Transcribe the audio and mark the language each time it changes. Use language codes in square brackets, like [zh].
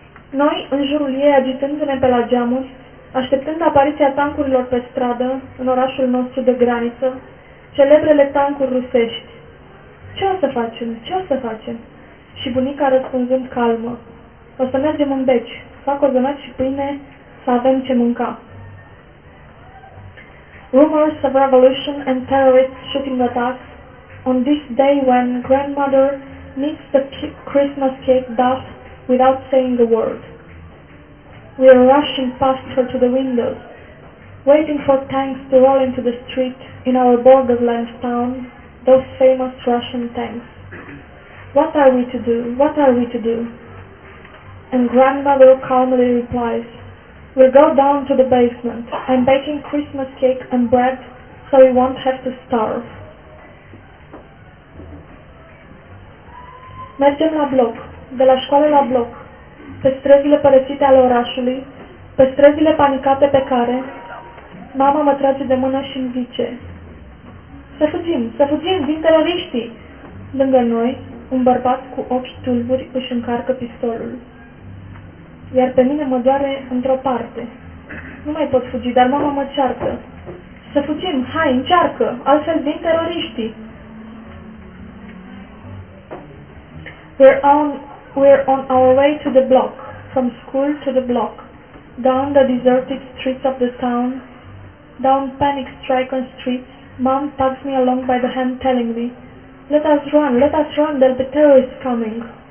[ro] Noi, în jurul ei, agitându-ne pe la geamuri, așteptând apariția tancurilor pe stradă, în orașul nostru de graniță, celebrele tancuri rusești. Ce o să facem? Ce o să facem? Și bunica răspunzând calmă. O să mergem în beci, fac cozonaci și pâine, să avem ce mânca. [en] Rumors of revolution and terrorists shooting at us on this day when grandmother mixed the Christmas cake dust without saying a word. We are rushing past her to the windows, waiting for tanks to roll into the street in our borderland town, those famous Russian tanks. What are we to do? What are we to do? And grandmother calmly replies, we'll go down to the basement. I'm baking Christmas cake and bread so we won't have to starve. [ro] Mergem la bloc, de la școală la bloc, pe străzile părăsite ale orașului, pe străzile panicate pe care mama mă trage de mână și îmi zice, să fugim, să fugim, vin teroriștii! Lângă noi, un bărbat cu ochi tulburi își încarcă pistolul. Iar pe mine mă doare într-o parte. Nu mai pot fugi, dar mama mă cearcă. Să fugim, hai, încearcă, altfel vin teroriștii. [en] We're on our way to the block, from school to the block, down the deserted streets of the town, down panic-stricken streets. Mom tugs me along by the hand, telling me, let us run, there'll be terrorists coming.